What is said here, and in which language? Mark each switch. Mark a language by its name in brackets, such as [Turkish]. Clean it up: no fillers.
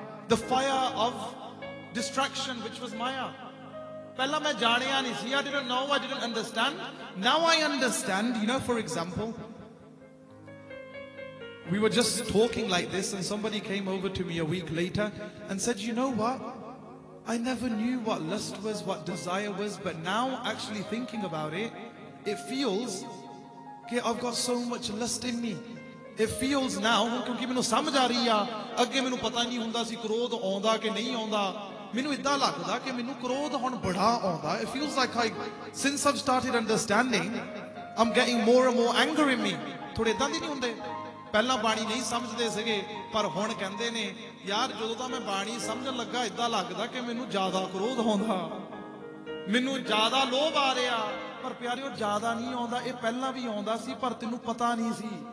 [English] the fire of distraction ਵਿਚ ਵਾਸ ਮਾਇਆ [Punjabi] ਪਹਿਲਾਂ ਮੈਂ ਜਾਣਿਆ ਨਹੀਂ ਸੀ [English] I didn't know I didn't understand now I understand you know for example we were just talking like this and somebody came over to me a week later and said you know what I never knew what lust was, what desire was, but now actually thinking about it, it feels that I've got so much lust in me. It feels now, because I'm coming to understand, before I didn't know if [Punjabi] krodh aunda ke nahi aunda, [English] it feels like I, since I've started understanding, I'm getting more and more anger in me. [Punjabi] Thode da nahi hunde. ਪਹਿਲਾਂ ਬਾਣੀ ਨਹੀਂ ਸਮਝਦੇ ਸੀਗੇ ਪਰ ਹੁਣ ਕਹਿੰਦੇ ਨੇ ਯਾਰ ਜਦੋਂ ਤਾਂ ਮੈਂ ਬਾਣੀ ਸਮਝਣ ਲੱਗਾ ਇਦਾਂ ਲੱਗਦਾ ਕਿ ਮੈਨੂੰ ਜ਼ਿਆਦਾ ਕ੍ਰੋਧ ਆਉਂਦਾ ਮੈਨੂੰ ਜ਼ਿਆਦਾ ਲੋਭ ਆ ਰਿਹਾ ਪਰ ਪਿਆਰੇ ਉਹ ਜ਼ਿਆਦਾ ਨਹੀਂ ਆਉਂਦਾ ਇਹ ਪਹਿਲਾਂ ਵੀ ਆਉਂਦਾ ਸੀ ਪਰ ਤੈਨੂੰ ਪਤਾ ਨਹੀਂ ਸੀ